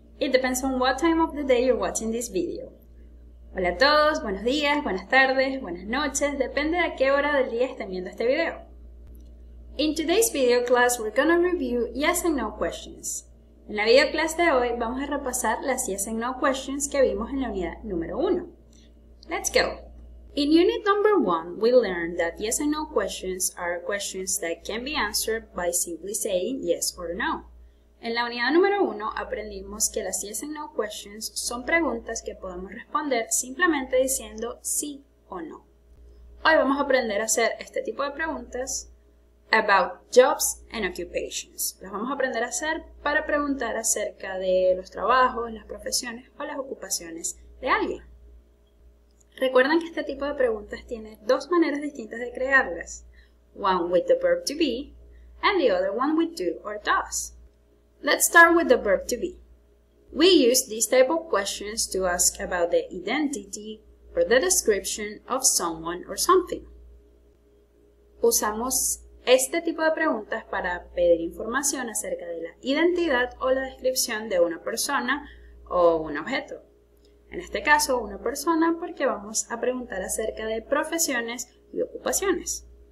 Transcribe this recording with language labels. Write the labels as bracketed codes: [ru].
[en] It depends on what time of the day you're watching this video. [es] Hola a todos, buenos días, buenas tardes, buenas noches, depende de a qué hora del día estén viendo este video. [en] In today's video class, we're going to review yes and no questions. [es] En la video clase de hoy, vamos a repasar las yes and no questions que vimos en la unidad número 1. [en] Let's go! In unit number 1, we learned that yes and no questions are questions that can be answered by simply saying yes or no. [es] En la unidad número 1, aprendimos que las yes and no questions son preguntas que podemos responder simplemente diciendo sí o no. Hoy vamos a aprender a hacer este tipo de preguntas [en] about jobs and occupations. [es] Las vamos a aprender a hacer para preguntar acerca de los trabajos, las profesiones o las ocupaciones de alguien. Recuerden que este tipo de preguntas tiene dos maneras distintas de crearlas. [en] One with the verb to be and the other one with do or does. Let's start with the verb to be. We use these type of questions to ask about the identity or the description of someone or something. [es] Usamos este tipo de preguntas para pedir información acerca de la identidad o la descripción de una persona o un objeto. En este caso, una persona, porque vamos a preguntar acerca de profesiones y ocupaciones.